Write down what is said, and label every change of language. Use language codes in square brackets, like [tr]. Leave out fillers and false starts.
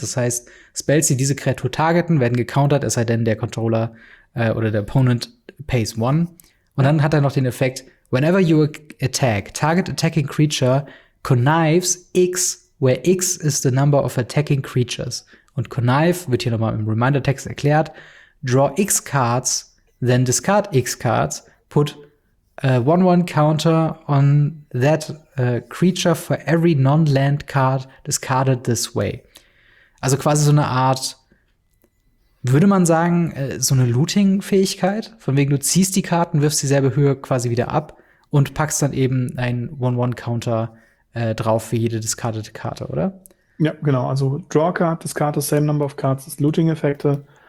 [de] Das heißt, Spells, die diese Kreatur targeten, werden gecountert, es sei denn, der Controller oder der Opponent [en] pays 1. [de] Und dann hat er noch den Effekt, [en] whenever you attack, target attacking creature connives X, where X is the number of attacking creatures. [de] Und connive wird hier nochmal im Reminder-Text erklärt. [en] Draw X cards, then discard X cards, put a 1-1 counter on that creature for every non-land card discarded this way. [de] Also quasi so eine Art, würde man sagen, so eine Looting-Fähigkeit, von wegen du ziehst die Karten, wirfst dieselbe Höhe quasi wieder ab und packst dann eben einen 1-1-Counter drauf für jede discardete Karte, oder? Ja, genau. Also [en] Draw Card, Discard the same number of cards, [de] das Looting-Effekte.